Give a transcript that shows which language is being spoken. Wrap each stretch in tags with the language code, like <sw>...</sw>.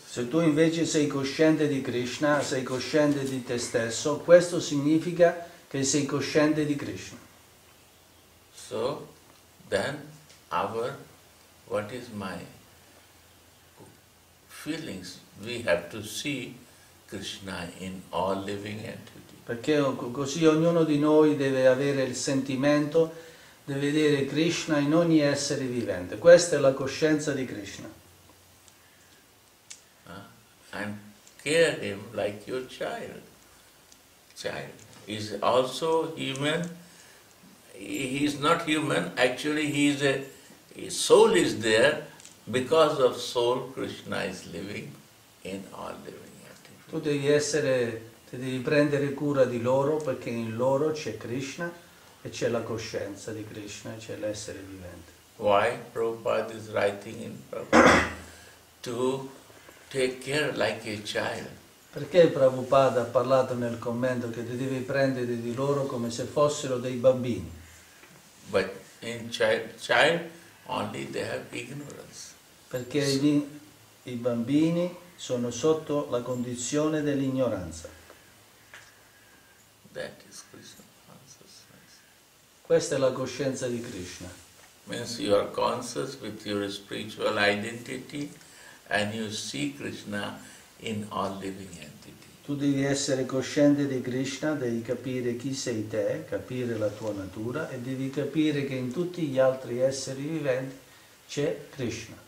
<it>Se tu invece sei cosciente di Krishna, sei cosciente di te stesso, questo significa che sei cosciente di Krishna.</it> <en>So, then, our, what is my feelings, we have to see Krishna in all living entity.</en> <it>Perché così ognuno di noi deve avere il sentimento di vedere Krishna in ogni essere vivente. Questa è la coscienza di Krishna.</it> <en>And care him like your child. Child is also human. He is not human. Actually, he is a his soul is there. Because of soul, Krishna is living in all living entities.</en> <it>Tu devi essere, ti devi prendere cura di loro, perché in loro c'è Krishna e c'è la coscienza di Krishna, c'è l'essere vivente.</it> <en>Why Prabhupada is writing in Prabhupada? To take care like a child.</en> <it>Perché Prabhupada ha parlato nel commento che ti devi prendere di loro come se fossero dei bambini?</it> <en>But in child only they have ignorance.</en> <it>Perché i bambini sono sotto la condizione dell'ignoranza.</it> <en>That is Krishna consciousness.</en> <it>Questa è la coscienza di Krishna.</it> <en>Means you are conscious with your spiritual identity and you see Krishna in all living entity.</en> <it>Tu devi essere cosciente di Krishna, devi capire chi sei te, capire la tua natura e devi capire che in tutti gli altri esseri viventi c'è Krishna.</it>